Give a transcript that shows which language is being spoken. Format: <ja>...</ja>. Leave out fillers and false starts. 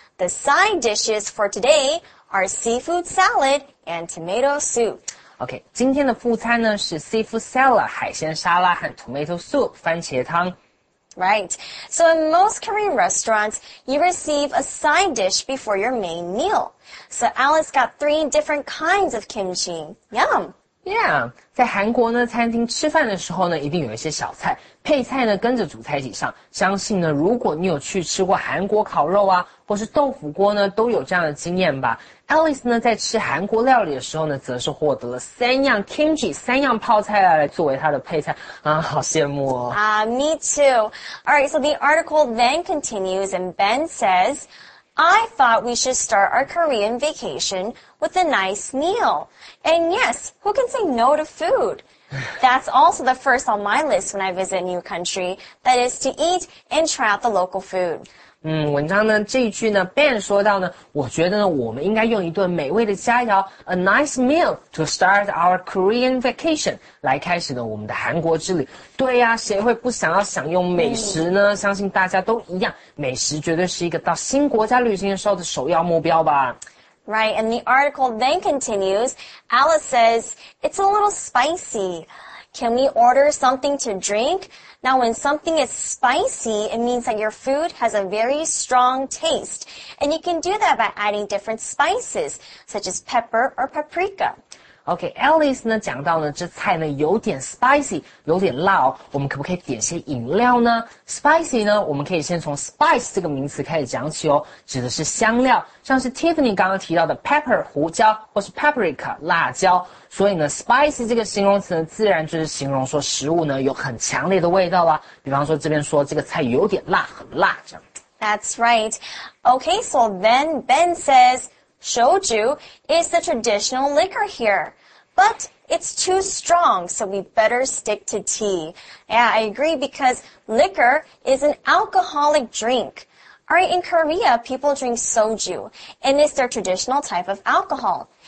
<en>The side dishes for today are seafood salad and tomato soup.</en> <zh>Okay, 今天的副餐呢是</zh> <en>seafood salad,</en> <zh>海鲜沙拉和</zh> <en>tomato soup,</en> <zh>番茄汤。</zh> <en>Right. So in most Korean restaurants, you receive a side dish before your main meal. So Alice got three different kinds of kimchi. Yum!</en> <zh>Yeah, 在韩国呢餐厅吃饭的时候呢一定有一些小菜配菜呢跟着主菜一起上相信呢如果你有去吃过韩国烤肉啊或是豆腐锅呢都有这样的经验吧 Alice 呢在吃韩国料理的时候呢则是获得了三样 kimchi 三样泡菜来作为她的配菜啊，好羡慕哦</zh> <en>me too Alright, so the article then continues and Ben says I thought we should start our Korean vacation with a nice meal. And yes, who can say no to food? That's also the first on my list when I visit a new country, that is to eat and try out the local food.</en> <zh>文章呢这一句呢 ,Ben 说到呢我觉得呢我们应该用一顿美味的佳肴 ,</zh> <en>a nice meal to start our Korean vacation,</en> <zh>来开始呢我们的韩国之旅。对呀、谁会不想要享用美食呢、相信大家都一样美食绝对是一个到新国家旅行的时候的首要目标吧。</zh> <en>Right, and the article then continues, Alice says, it's a little spicy. Can we order something to drink? Now, when something is spicy, it means that your food has a very strong taste. And you can do that by adding different spices, such as pepper or paprika.</en> <zh>Okay, Alice 呢讲到呢这菜呢有点 spicy, 有点辣哦。我们可不可以点些饮料呢 ?spicy 呢我们可以先从 spice 这个名词开始讲起哦指的是香料像是 Tiffany 刚刚提到的 pepper, 胡椒或是 paprika, 辣椒。所以呢 ,spicy 这个形容词呢自然就是形容说食物呢有很强烈的味道啦。比方说这边说这个菜有点辣很辣这样。</zh> <en>That's right. Okay, so then Ben says,Shouju is the traditional liquor here, but it's too strong, so we better stick to tea. Yeah, I agree because liquor is an alcoholic drink. All right, in Korea, people drink soju, and it's their traditional type of alcohol.</en>